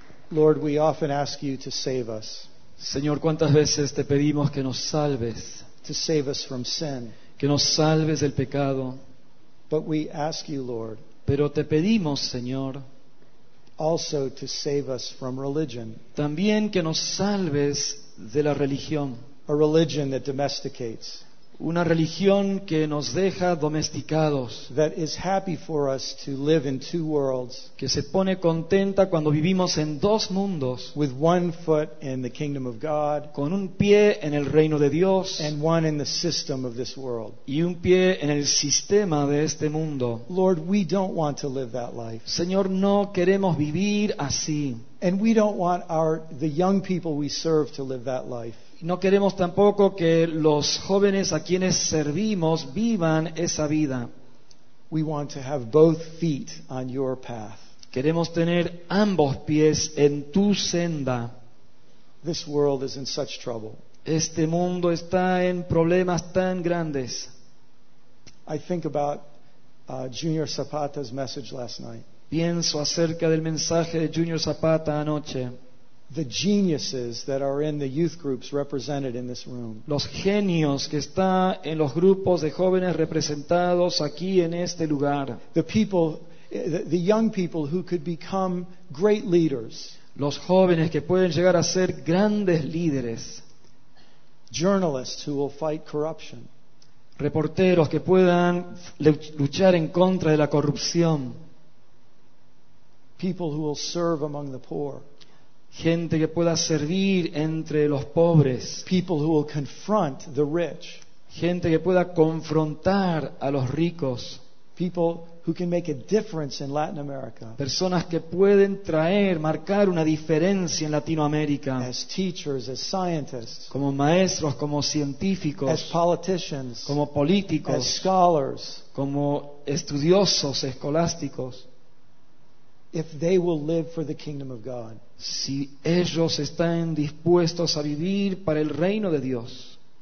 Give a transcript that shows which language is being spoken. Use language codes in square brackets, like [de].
[en] Lord, we often ask you to save us. [es] Señor, ¿cuántas veces te pedimos que nos salves? [en] To save us from sin. [es] Que nos salves del pecado. [en] But we ask you, Lord. [es] Pero te pedimos, Señor. [en] Also to save us from religion. [es] También que nos salves de la religión. [en] A religion that domesticates. [es] Una religión que nos deja domesticados. [en] That is happy for us to live in two worlds. [es] Que se pone contenta cuando vivimos en dos mundos. [en] With one foot in the kingdom of God. [es] Con un pie en el reino de Dios. [en] And one in the system of this world. [es] Y un pie en el sistema de este mundo. [en] Lord, we don't want to live that life. [es] Señor, no queremos vivir así. [en] And we don't want the young people we serve to live that life. [es] No queremos tampoco que los jóvenes a quienes servimos vivan esa vida. [en] We want to have both feet on your path. [es] Queremos tener ambos pies en tu senda. [en] This world is in such trouble. [es] Este mundo está en problemas tan grandes. [en] I think about Junior Zapata's message last night. [es] Pienso acerca del mensaje de Junior Zapata anoche. [en] The geniuses that are in the youth groups represented in this room. [es] Los genios que están en los grupos de jóvenes representados aquí en este lugar. [en] The people, the young people who could become great leaders. [es] Los jóvenes que pueden llegar a ser grandes líderes. [en] Journalists who will fight corruption. [es] Reporteros que puedan luchar en contra de la corrupción. [en] People who will serve among the poor. [es] Gente que pueda servir entre los pobres. [en] People who will confront the rich. [es] Gente que pueda confrontar a los ricos. [en] People who can make a difference in Latin America. [es] Personas que pueden traer, marcar una diferencia en Latinoamérica. [en] As teachers, as scientists. [es] Como maestros, como científicos. [en] As politicians. [es] Como políticos. [en] As scholars. [es] Como estudiosos escolásticos. [en] If they will live for the kingdom of God. [es] Si ellos están dispuestos a vivir para el reino de Dios.